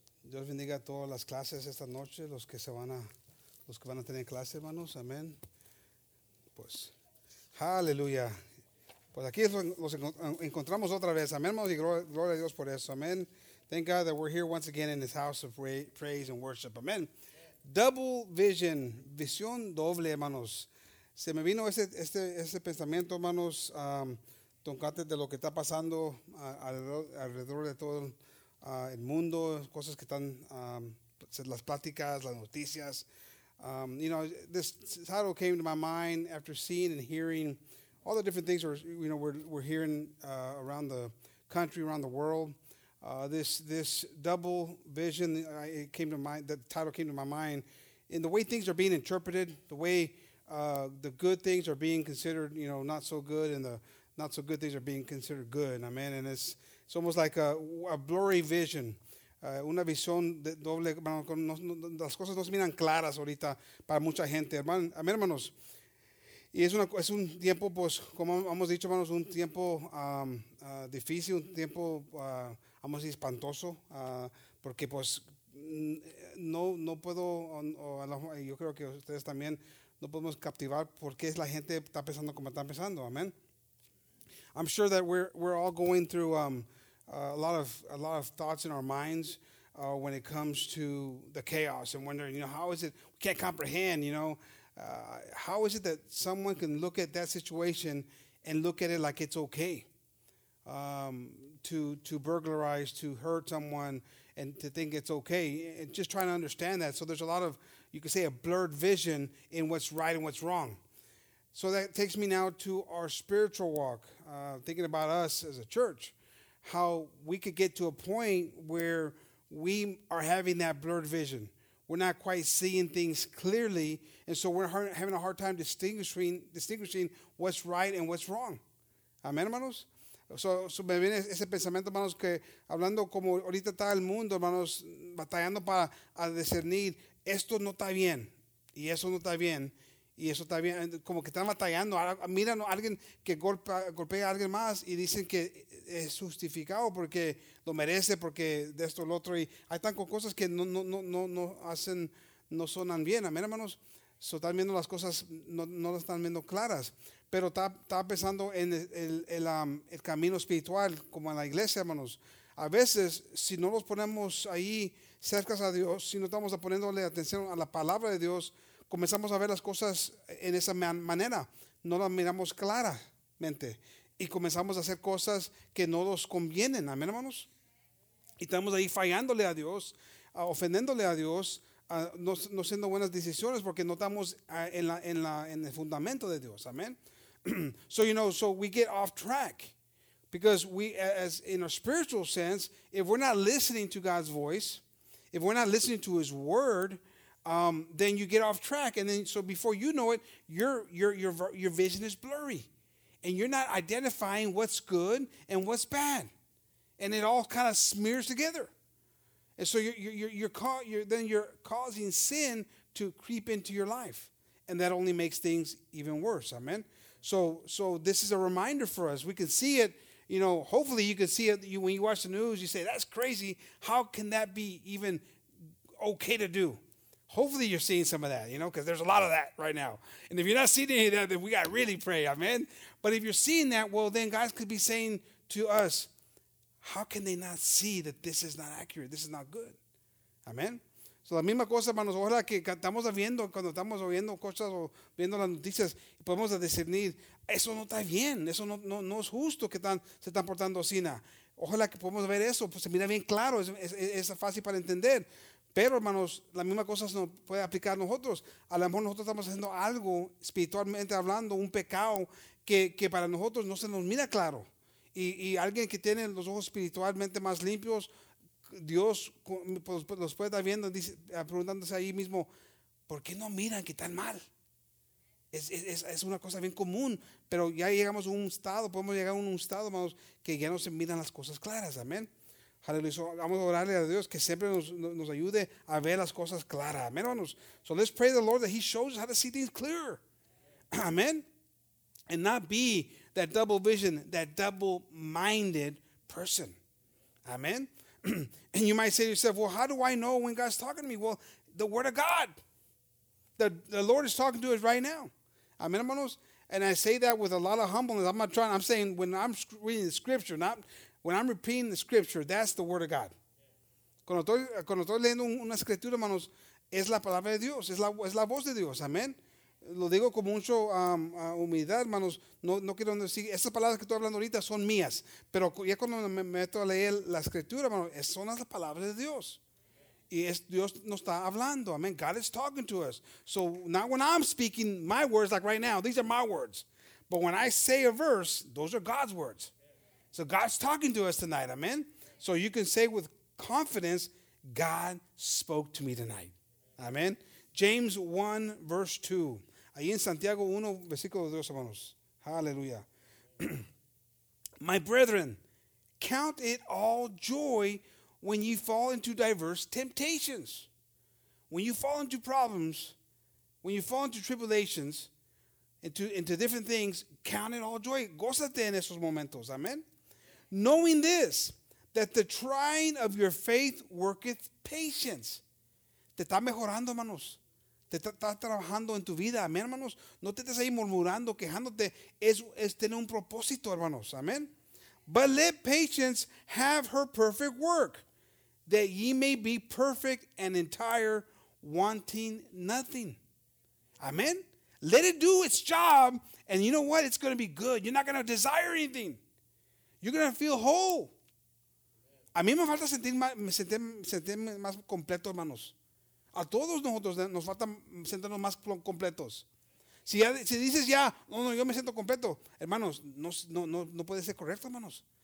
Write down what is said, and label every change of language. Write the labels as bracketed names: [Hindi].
[Spanish] Dios bendiga todas las clases esta noche, los que se van a, los que van a tener clase, hermanos. Amen. Pues, hallelujah. Pues aquí los encontramos otra vez. Amen, hermanos. Y gloria a Dios por eso. Amen. [English] Thank God that we're here once again in this house of praise and worship. Amen. Double vision. [Spanish] Visión doble, hermanos. Se me vino ese pensamiento, hermanos, toncate de lo que está pasando alrededor de todo el mundo, cosas que están, las pláticas, las noticias. [English] You know, this title came to my mind after seeing and hearing all the different things we're hearing around the country, around the world. This double vision, it came to mind. The title came to my mind in the way things are being interpreted, the way the good things are being considered, you know, not so good, and the not so good things are being considered good. Amen. And it's almost like a blurry vision. [Spanish] Una visión doble. Las cosas no se miran claras ahorita para mucha gente. Amén, hermanos. Y es un tiempo, pues, como hemos dicho, hermanos, un tiempo difícil, un tiempo, vamos a decir, espantoso, porque, pues, no puedo, yo creo que ustedes también no podemos captivar por qué la gente está pensando como está pensando. Amén. [English] I'm sure that we're all going through a lot of thoughts in our minds when it comes to the chaos and wondering, you know, how is it, we can't comprehend, you know. How is it that someone can look at that situation and look at it like it's okay to burglarize, to hurt someone, and to think it's okay? And just trying to understand that. So there's a lot of, you could say, a blurred vision in what's right and what's wrong. So that takes me now to our spiritual walk, thinking about us as a church, how we could get to a point where we are having that blurred vision. We're not quite seeing things clearly, and so we're having a hard time distinguishing what's right and what's wrong. [Spanish] Amén, hermanos. So me viene ese pensamiento, hermanos, que hablando como ahorita está el mundo, hermanos, batallando para discernir esto no está bien y eso no está bien y eso está bien, como que están batallando. Mira, alguien que golpea a alguien más y dicen que es justificado porque lo merece, porque de esto el otro, y hay tan con cosas que no hacen, no sonan bien. Amén, hermanos. So, están viendo las cosas, no las están viendo claras, pero está pensando en el camino espiritual, como en la iglesia, hermanos. A veces, si no los ponemos ahí cerca a Dios, si no estamos poniéndole atención a la palabra de Dios, comenzamos a ver las cosas en esa manera, no las miramos claramente. Y comenzamos a hacer cosas que no nos convienen. Amén, hermanos. Y estamos ahí fallándole a Dios, ofendiéndole a Dios, no siendo buenas decisiones porque no estamos en el fundamento de Dios. Amén. [English] So, you know, so we get off track. Because we, as in a spiritual sense, if we're not listening to God's voice, if we're not listening to his word, then you get off track. And then, so before you know it, your vision is blurry. And you're not identifying what's good and what's bad, and it all kind of smears together. And so you're causing sin to creep into your life, and that only makes things even worse. Amen. So this is a reminder for us. We can see it. You know, hopefully you can see it. You, when you watch the news, you say, "That's crazy. How can that be even okay to do?" Hopefully you're seeing some of that, you know, because there's a lot of that right now. And if you're not seeing any of that, then we got to really pray, amen? But if you're seeing that, well, then God could be saying to us, how can they not see that this is not accurate, this is not good, amen? [Spanish] So la misma cosa, hermanos, ahora que estamos viendo, cuando estamos oyendo cosas o viendo las noticias, podemos discernir, eso no está bien, eso no es justo que se están portando así. Ojalá que podamos ver eso, pues se mira bien claro, es fácil para entender. Pero, hermanos, la misma cosa se nos puede aplicar a nosotros. A lo mejor nosotros estamos haciendo algo, espiritualmente hablando, un pecado que para nosotros no se nos mira claro. Y alguien que tiene los ojos espiritualmente más limpios, Dios los puede estar viendo, preguntándose ahí mismo, ¿por qué no miran que están mal? Es una cosa bien común, pero ya llegamos a un estado, podemos llegar a un estado, hermanos, que ya no se miran las cosas claras, amén. Aleluya, vamos a orarle a Dios que siempre nos ayude a ver las cosas claras, amén, hermanos. [English] So let's pray the Lord that he shows us how to see things clear, amén. And not be that double vision, that double-minded person, amén. And you might say to yourself, well, how do I know when God's talking to me? Well, the word of God. The Lord is talking to us right now. Amen, hermanos? And I say that with a lot of humbleness. I'm saying when I'm reading the scripture, not when I'm repeating the scripture, that's the word of God. [Spanish] Cuando estoy leyendo una escritura, hermanos, es la palabra de Dios, es la voz de Dios. Amen. Lo digo con mucho humildad, hermanos. No quiero decir, esas palabras que estoy hablando ahorita son mías. Pero ya cuando me meto a leer la escritura, hermanos, son las palabras de Dios. Y es Dios nos está hablando. Amen. [English] God is talking to us. So not when I'm speaking my words, like right now, these are my words. But when I say a verse, those are God's words. So God's talking to us tonight. Amen. So you can say with confidence, God spoke to me tonight. [Spanish] Amen. [English] James 1, verse 2. [Spanish] Ahí en Santiago 1, versículo 2, hermanos. Hallelujah. [English] My brethren, count it all joy when you fall into diverse temptations. When you fall into problems, when you fall into tribulations, into different things, count it all joy. [Spanish] Gózate en esos momentos. [English] Amen. Knowing this, that the trying of your faith worketh patience. [Spanish] Te está mejorando, hermanos. Te está trabajando en tu vida, amén, hermanos. No te estés ahí murmurando, quejándote. Es tener un propósito, hermanos, amén. [English] But let patience have her perfect work, that ye may be perfect and entire, wanting nothing. Amén. Let it do its job, and you know what? It's going to be good. You're not going to desire anything. You're going to feel whole. [Spanish] A mí me falta sentir más completo, hermanos. A todos nosotros nos falta sentarnos más completos. Si dices ya, no, yo me siento completo. Hermanos, no puede ser correcto, hermanos.